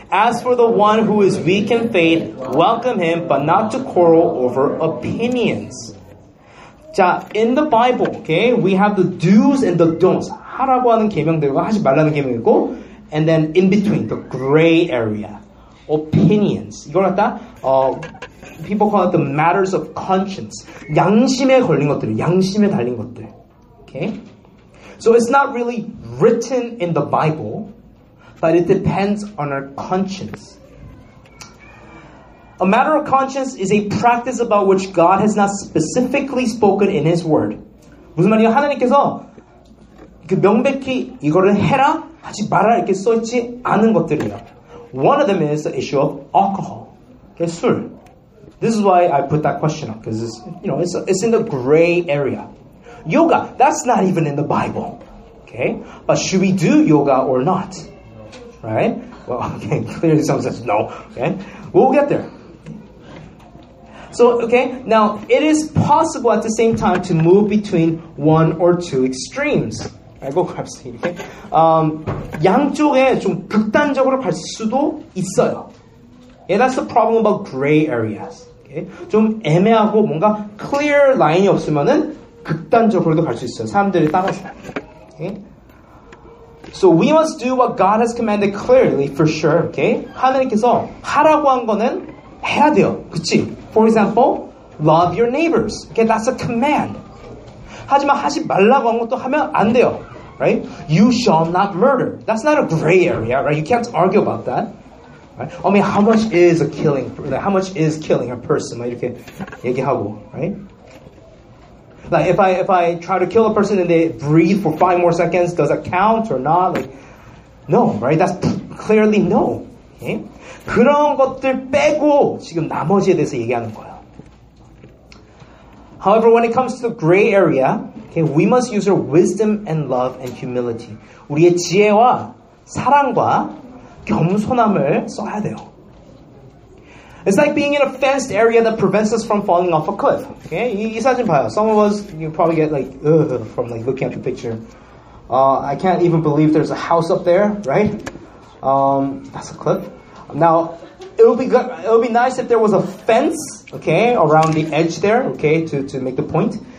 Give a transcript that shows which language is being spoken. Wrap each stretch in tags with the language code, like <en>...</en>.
<en>As for the one who is weak in faith, welcome him, but not to quarrel over opinions.</en> <ko>자,</ko> <en>in the Bible, okay, we have the do's and the don'ts.</en> <ko>하라고 하는 계명들과 하지 말라는 계명이고,</ko> <en>and then in between, the gray area, opinions.</en> <ko>이걸 갖다,</ko> <en>people call it the matters of conscience.</en> <ko>양심에 걸린 것들, 양심에 달린 것들.</ko> <en>Okay? So it's not really written in the Bible, but it depends on our conscience. A matter of conscience is a practice about which God has not specifically spoken in His Word.</en> <ko>무슨 말이에요? 하나님께서 그 명백히 이거를 해라 하지 마라 이렇게 써 있지 않은 것들이에요.</ko> <en>One of them is the issue of alcohol.</en> <ko>그 술.</ko> <en>This is why I put that question up because it's, you know, it's in the gray area. Yoga, that's not even in the Bible. Okay? But should we do yoga or not? Right? Well, okay, clearly someone says no. Okay? We'll get there. So, okay, now it is possible at the same time to move between one or two extremes. I go grab some. Okay?</en> <ko>양쪽에 좀 극단적으로 갈 수도 있어요.</ko> <en>Yeah, that's the problem about gray areas. Okay?</en> <ko>좀 애매하고 뭔가 clear line이 없으면은 극단적으로도 갈 수 있어요. 사람들이 따라서.</ko> <en>Okay? So we must do what God has commanded clearly for sure. Okay?</en> <ko>하나님께서 하라고 한 거는 해야 돼요. 그치?</ko> <en>For example, love your neighbors. Okay, that's a command.</en> <ko>하지만 하지 말라고 한 것도 하면 안 돼요.</ko> <en>Right? You shall not murder. That's not a gray area, right? You can't argue about that. Right? I mean, how much is a killing? Like, how much is killing a person? Like,</en> <ko>이렇게 얘기하고,</ko> <en>right? Like, if I try to kill a person and they breathe for 5 more seconds, does that count or not? Like, no, right? That's clearly no. Okay?</en> <ko>그런 것들 빼고 지금 나머지에 대해서 얘기하는 거예요.</ko> <en>However, when it comes to the gray area, okay, we must use our wisdom and love and humility.</en> <ko>우리의 지혜와 사랑과 겸손함을 써야 돼요.</ko> <en>It's like being in a fenced area that prevents us from falling off a cliff. Okay?</en> <ko>이 사진 봐요.</ko> <en>Some of us, you probably get like, ugh, from like looking at the picture. I can't even believe there's a house up there, right? That's a cliff. Now, it would be nice if there was a fence, okay, around the edge there, okay, to make the point.</en>